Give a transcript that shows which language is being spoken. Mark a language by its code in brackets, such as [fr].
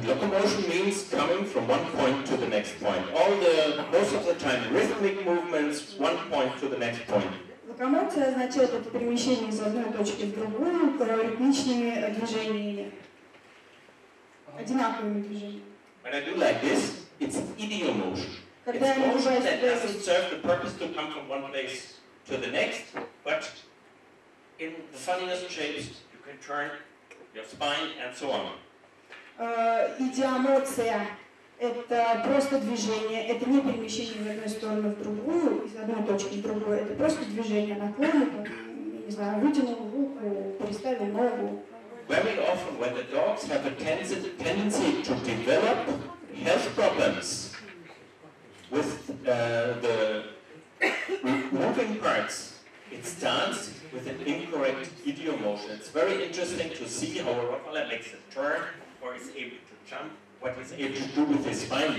[en] And locomotion means coming from one point to the next point. Most of the time, rhythmic movements, one point to the next point. [ru] Локомоция означает это перемещение из одной точки в другую, ритмичными движениями, одинаковыми движениями. [en] When I do like this, it's idio motion. It's motion that doesn't serve the purpose to come from one place to the next, but in the funniest shapes you can turn your spine and so on. [ru] Идиомоция — это просто движение. Это не перемещение в одну сторону в другую, из одной точки в другую. Это просто движение наклона, не знаю, вытянул руку, переставил ногу. [en] Very often, when the dogs have a tendency to develop health problems with the moving parts, it starts with an incorrect idiomotion. It's very interesting to see how a rottweiler makes a turn or is able to jump, what he's able to do with his spine.